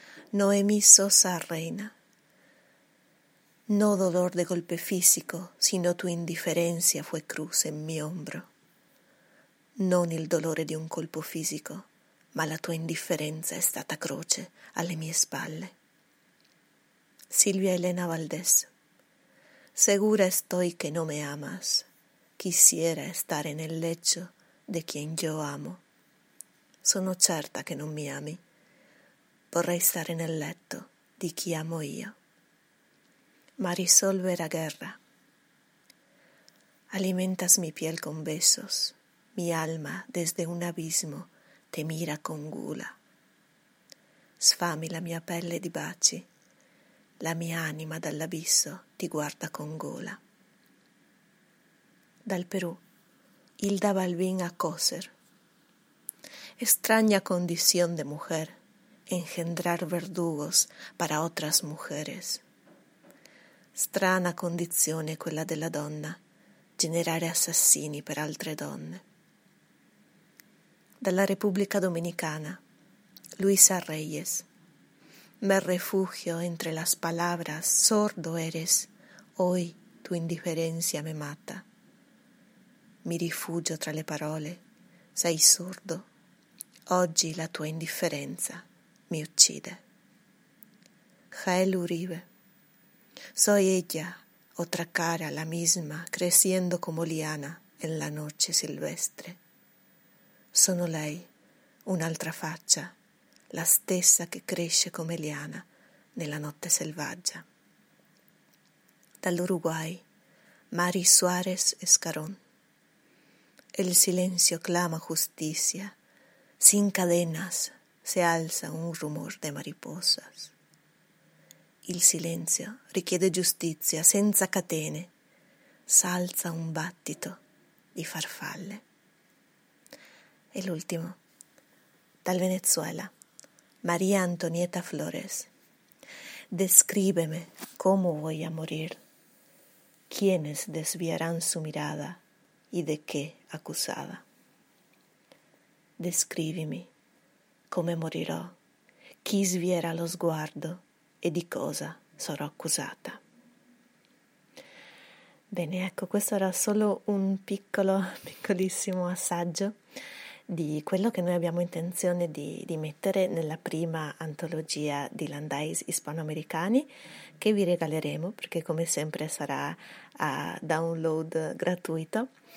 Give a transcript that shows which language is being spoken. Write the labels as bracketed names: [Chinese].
[Italian] Noemí Sosa Reina. [Spanish] No dolor de golpe físico, sino tu indiferencia fue cruz en mi hombro. [Italian] Non il dolore di un colpo fisico, ma la tua indifferenza è stata croce alle mie spalle. Silvia Elena Valdés. [Spanish] Segura estoy que no me amas. Quisiera estar en el lecho de quien yo amo. [Italian] Sono certa que non mi ami. Vorrei stare nel letto di chi amo io. ma risolve la guerra. [Spanish] Alimentas mi piel con besos, mi alma desde un abismo te mira con gula. [Italian] Sfami la mia pelle di baci, la mia anima dall'abisso ti guarda con gola. Dal Perù, Hilda Balbín Acoser. [Spanish] Extraña condición de mujer, engendrar verdugos para otras mujeres. [Italian] Strana condizione quella della donna, generare assassini per altre donne. Dalla Repubblica Dominicana, Luisa Reyes. [Spanish] Me refugio entre las palabras, sordo eres, hoy tu indiferencia me mata. [Italian] Mi rifugio tra le parole, sei sordo, oggi la tua indifferenza mi uccide. Jael Uribe. [Spanish] Soy ella, otra cara, la misma, creciendo como liana en la noche silvestre. [Italian] Sono lei, un'altra faccia, la stessa che cresce come liana nella notte selvaggia. Dall'Uruguay, Mari Suárez Escarón. [Spanish] El silencio clama justicia, sin cadenas se alza un rumor de mariposas. [Italian] Il silenzio richiede giustizia, senza catene, s'alza un battito di farfalle. E l'ultimo, dal Venezuela, María Antonieta Flores. [Spanish] Descríbeme cómo voy a morir, quiénes desviarán su mirada y de qué acusada. [Italian] Descrivimi come morirò, chi svierà lo sguardo e di cosa sarò accusata. Bene, ecco, questo era solo un piccolissimo assaggio di quello che noi abbiamo intenzione di mettere nella prima antologia di Landais Hispanoamericani, che vi regaleremo, perché come sempre sarà a download gratuito.